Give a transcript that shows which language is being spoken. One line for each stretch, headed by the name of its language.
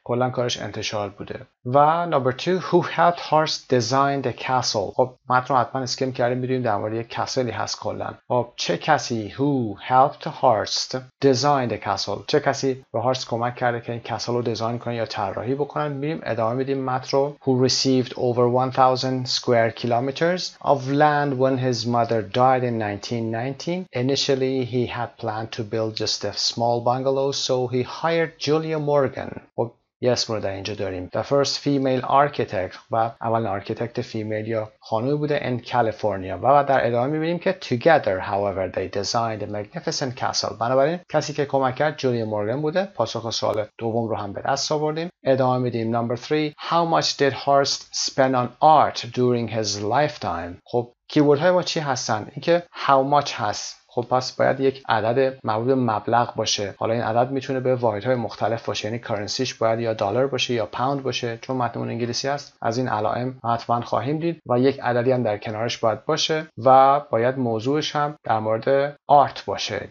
Persian: کلا کارش انتشار بوده. و نمبر 2
English: who helped
Persian: هارست
English: design the castle.
Persian: خب متن رو حتما اسکیم کردیم، می‌دونیم در مورد یک کسلی هست کلا. خب چه کسی
English: who helped
Persian: هارست
English: design the castle؟
Persian: چه کسی به هارست کمک کرد که این کسل رو دیزاین کنن یا طراحی بکنن. میریم ادامه میدیم مت رو.
English: Who received over 1000 square kilometers of land when his mother died in 1919. Initially he had planned to build just a small bungalow, so he hired Julia Morgan.
Persian: یست مورد اینجا داریم.
English: The first female architect
Persian: و اولین architect female یا خانوی بوده
English: in California.
Persian: و در ادامه میبینیم که
English: together however they designed a magnificent castle.
Persian: بنابراین کسی که کمک کرد جولیا مورگن بوده. پاسخ سوال دوم رو هم به دست آوردیم. ادامه میدیم.
English: Number three. How much did Horst spend on art during his lifetime?
Persian: خب کیورد های ما چی هستن؟ اینکه
English: how much
Persian: هست؟ خب پس باید یک عدد مربوط به مبلغ باشه. حالا این عدد میتونه به واحدهای مختلف باشه، یعنی کارنسیش باید یا دلار باشه یا پوند باشه، چون متنمون انگلیسی است. از این علائم حتما خواهیم دید و یک عددی هم در کنارش باید باشه و باید موضوعش هم در مورد آرت باشه.